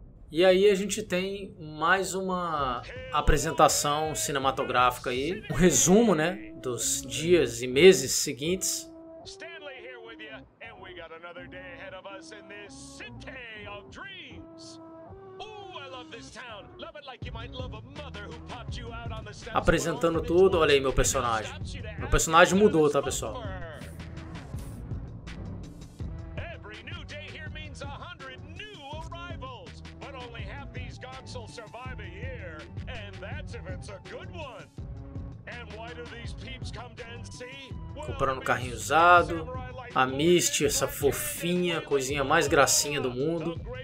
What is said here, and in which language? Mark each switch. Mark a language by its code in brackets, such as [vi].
[pt] E aí a gente tem mais uma apresentação cinematográfica aí. Um resumo, né, dos dias e meses seguintes. [en] Stanley here with you, and we got another day ahead of us in this city of dreams. Ooh, I love this town. Love it like you might love a mother who popped you out on the steps. [pt] Apresentando tudo, olha aí meu personagem. Meu personagem mudou, tá, pessoal? [en] Every new day here means 100 new arrivals, but only half these gods will survive a year, and that's if it's a good one. And why do these peeps come to NC? [pt] Comprando carrinho usado, a Misty, essa fofinha, coisinha mais gracinha do mundo.